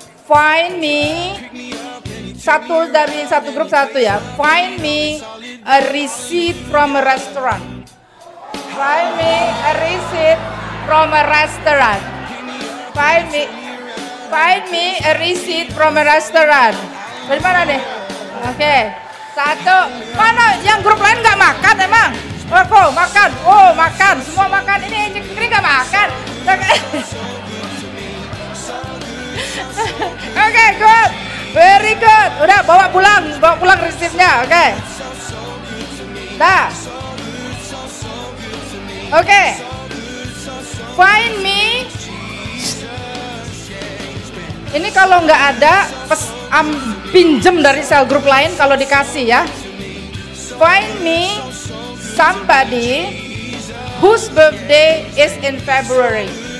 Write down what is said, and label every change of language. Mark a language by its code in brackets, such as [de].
[en] Find me, [id] satu dari satu grup satu ya. [en] Find me a receipt from a restaurant. Find me a receipt from a restaurant. Find me a receipt from a restaurant. [id] Dari mana nih? Oke, okay. Satu. Mana yang grup lain nggak makan emang? Oh, makan. Oh, makan. Semua makan. Ini ejek sendiri nggak makan. [en] Oke, okay, good. Very good. [id] Udah, bawa pulang receipt-nya. Oke. Okay. Dah. [en] Oke, okay. Find me. [id] Ini kalau nggak ada, pinjem dari sel grup lain kalau dikasih ya. [en] Find me somebody whose birthday is in February.